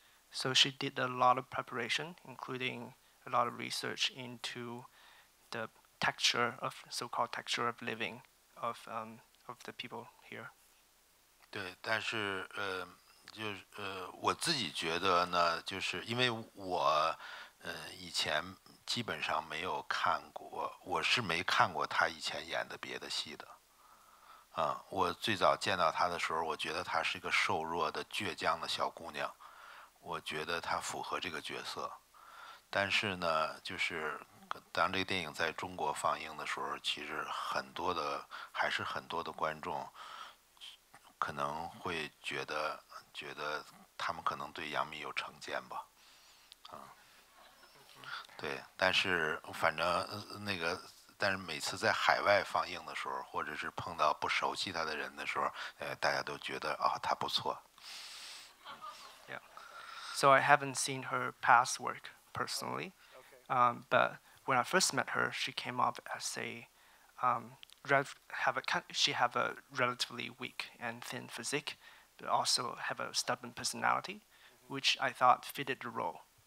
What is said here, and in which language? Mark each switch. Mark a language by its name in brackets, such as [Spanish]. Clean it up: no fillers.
[English] So she did a lot of preparation, including a lot of research into the texture of so-called texture of living of the people here. [Chinese] 对，但是就我自己觉得呢，就是因为我以前基本上没有看过，我是没看过他以前演的别的戏的。啊，我最早见到他的时候，我觉得他是一个瘦弱的倔强的小姑娘。我觉得他符合这个角色，但是呢，就是当这个电影在中国放映的时候，其实很多的还是很多的观众可能会觉得他们可能对杨幂有成见吧，啊，对，但是反正那个，但是每次在海外放映的时候，或者是碰到不熟悉他的人的时候，大家都觉得啊，他不错。 [English] So I haven't seen her past work personally, but when I first met her, she came off as a relatively weak and thin physique, but also have a stubborn personality, which I thought fitted the role.